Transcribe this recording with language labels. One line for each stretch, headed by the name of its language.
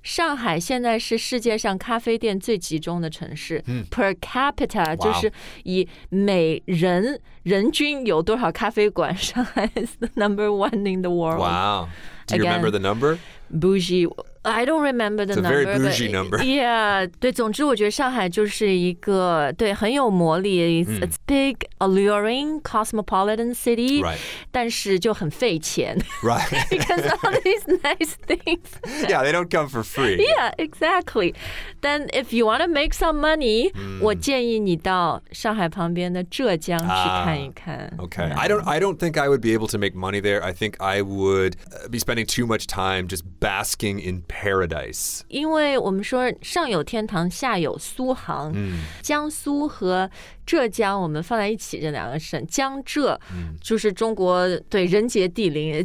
Chinese: 上海现在是世界上咖啡店最集中的城市。
English: Per capita,、 wow.
Chinese: 就是以每人均有多少咖啡馆。
English: 上海 is the number one in the world. Wow. Do you remember the number? Bougie. I don't remember the number. It's a very bougie number.
Chinese: Yeah, 对，总之我觉得上海就是一个对很有魔力
English: It's a big, alluring, cosmopolitan city. Right.
Chinese: 但是就很费钱
English: Right. because all these nice things. Yeah, they don't come for free. Yeah, exactly. Then if you want to make some money,、
Chinese: 我建议你到上海旁边的浙江去看一看
English: Okay.、Yeah. I don't think I would be able to make money there. I think I would be spending too much time just basking in paradise.
Chinese: 因为我们说上有天堂，下有苏杭。江苏和浙江我们放在一起，这两个省，江浙就是中国，对，人杰地灵。